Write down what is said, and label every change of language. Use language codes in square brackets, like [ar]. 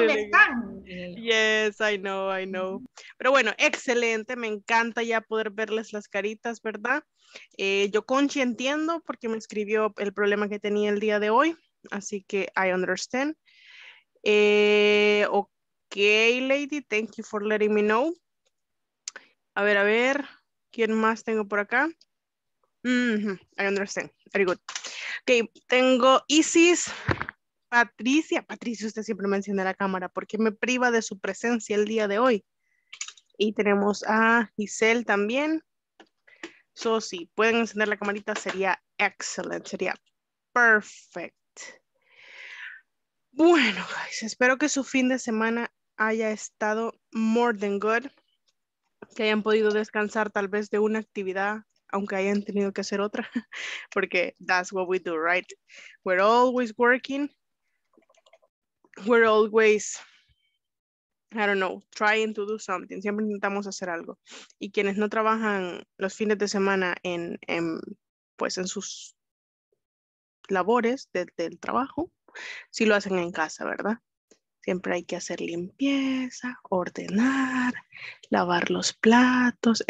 [es] ¿Dónde están? [en] Yes, I know. [es] Pero bueno, excelente, me encanta ya poder verles las caritas, ¿verdad? Yo Conchi entiendo porque me escribió el problema que tenía el día de hoy, así que [en] I understand. Okay, lady, thank you for letting me know. [es] A ver, ¿quién más tengo por acá? [en] I understand, very good. [es] Okay, tengo Isis. Patricia, usted siempre menciona la cámara, ¿por qué me priva de su presencia el día de hoy? Y tenemos a Giselle también. So, sí, pueden encender la camarita, sería excelente, sería perfect. Bueno, guys, espero que su fin de semana haya estado [en] more than good, [es] que hayan podido descansar tal vez de una actividad, aunque hayan tenido que hacer otra, porque [en] that's what we do, right? We're always working. We're always, I don't know, trying to do something. [es] Siempre intentamos hacer algo. Y quienes no trabajan los fines de semana en sus labores del trabajo, sí lo hacen en casa, ¿verdad? Siempre hay que hacer limpieza, ordenar, lavar los platos.